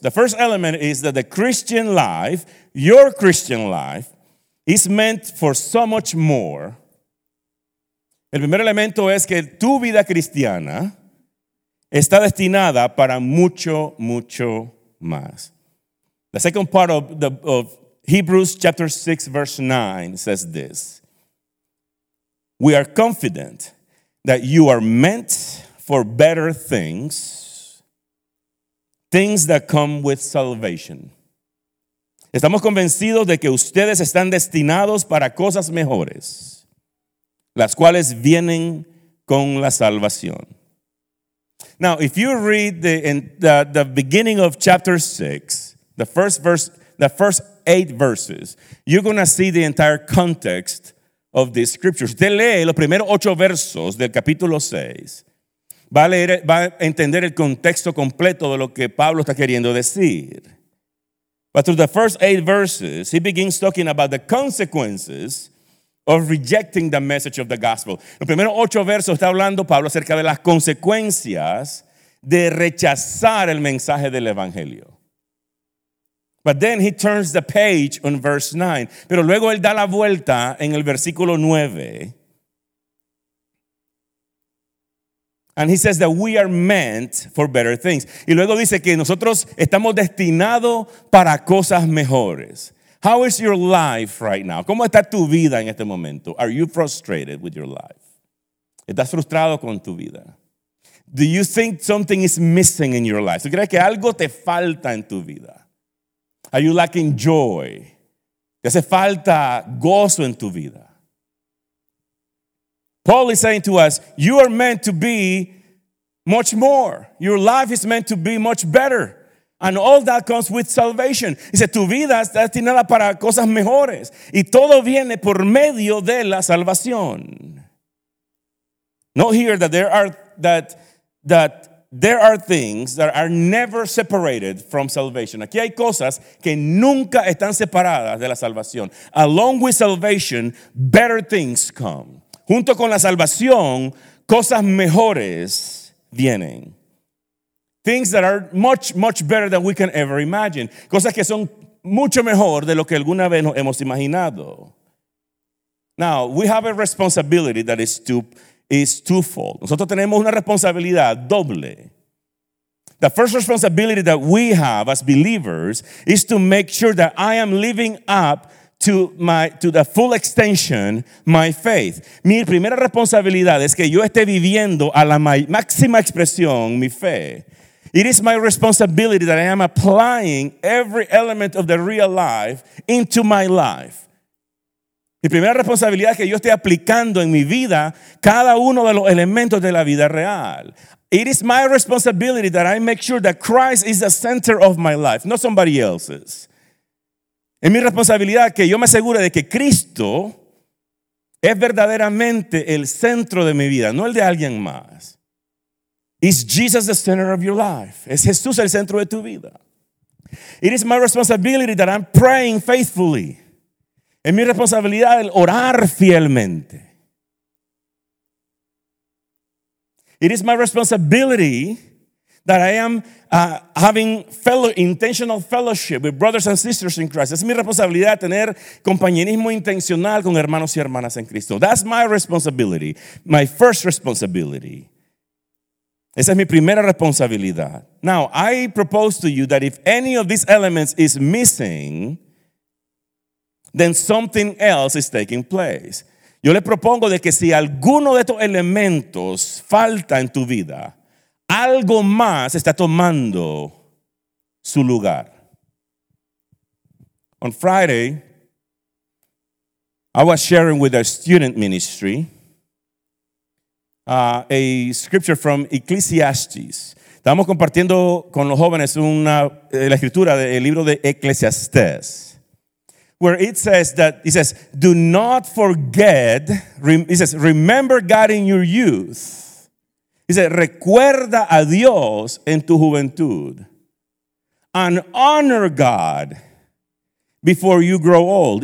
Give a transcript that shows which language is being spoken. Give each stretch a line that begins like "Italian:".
English: The first element is that the Christian life, your Christian life, is meant for so much more.
Spanish: El primer elemento es que tu vida cristiana está destinada para mucho, mucho más.
English: The second part of Hebrews chapter 6, verse 9 says this. We are confident that you are meant for better things, things that come with salvation.
Spanish: Estamos convencidos de que ustedes están destinados para cosas mejores, las cuales vienen con la salvación.
English: Now, if you read the beginning of chapter 6, the first verse, the first 8 verses, you're going to see the entire context of this scripture.
Spanish: Si usted lee los primeros 8 versos del capítulo 6, va a entender el contexto completo de lo que Pablo está queriendo decir.
English: But through the first 8 verses, he begins talking about the consequences of rejecting the message of the gospel.
Spanish: Los primeros 8 versos está hablando Pablo acerca de las consecuencias de rechazar el mensaje del evangelio.
English: But then he turns the page on verse 9.
Spanish: Pero luego él da la vuelta en el versículo 9.
English: And he says that we are meant for better things.
Spanish: Y luego dice que nosotros estamos destinados para cosas mejores.
English: How is your life right now?
Spanish: ¿Cómo está tu vida en este momento?
English: Are you frustrated with your life?
Spanish: ¿Estás frustrado con tu vida?
English: Do you think something is missing in your life?
Spanish: ¿Tú crees que algo te falta en tu vida?
English: Are you lacking joy?
Spanish: ¿Te hace falta gozo en tu vida?
English: Paul is saying to us, you are meant to be much more. Your life is meant to be much better. And all that comes with salvation.
Spanish: Dice, tu vida está destinada para cosas mejores. Y todo viene por medio de la salvación.
English: Note here that there are things that are never separated from salvation.
Spanish: Aquí hay cosas que nunca están separadas de la salvación.
English: Along with salvation, better things come.
Spanish: Junto con la salvación, cosas mejores vienen.
English: Things that are much, much better than we can ever imagine.
Spanish: Cosas que son mucho mejor de lo que alguna vez nos hemos imaginado.
English: Now, we have a responsibility that is twofold.
Spanish: Nosotros tenemos una responsabilidad doble.
English: The first responsibility that we have as believers is to make sure that I am living up to the full extension, my faith.
Spanish: Mi primera responsabilidad es que yo esté viviendo a la máxima expresión mi fe.
English: It is my responsibility that I am applying every element of the real life into my life.
Spanish: Mi primera responsabilidad es que yo estoy aplicando en mi vida cada uno de los elementos de la vida real.
English: It is my responsibility that I make sure that Christ is the center of my life, not somebody else's.
Spanish: Es mi responsabilidad que yo me asegure de que Cristo es verdaderamente el centro de mi vida, no el de alguien más.
English: Is Jesus the center of your life?
Spanish: ¿Es Jesús el centro de tu vida?
English: It is my responsibility that I'm praying faithfully.
Spanish: Es mi responsabilidad el orar fielmente.
English: It is my responsibility that I am having intentional fellowship with brothers and sisters in Christ.
Spanish: Es mi responsabilidad tener compañerismo intencional con hermanos y hermanas en Cristo.
English: That's my responsibility, my first responsibility.
Spanish: Esa es mi primera responsabilidad.
English: Now, I propose to you that if any of these elements is missing, then something else is taking place.
Spanish: Yo le propongo de que si alguno de estos elementos falta en tu vida, algo más está tomando su lugar.
English: On Friday, I was sharing with a student ministry a scripture from Ecclesiastes.
Spanish: Estamos compartiendo con los jóvenes la escritura del libro de Eclesiastés.
English: Where it says, do not forget, it says, remember God in your youth. It says,
Spanish: recuerda a Dios en tu juventud.
English: And honor God before you grow old.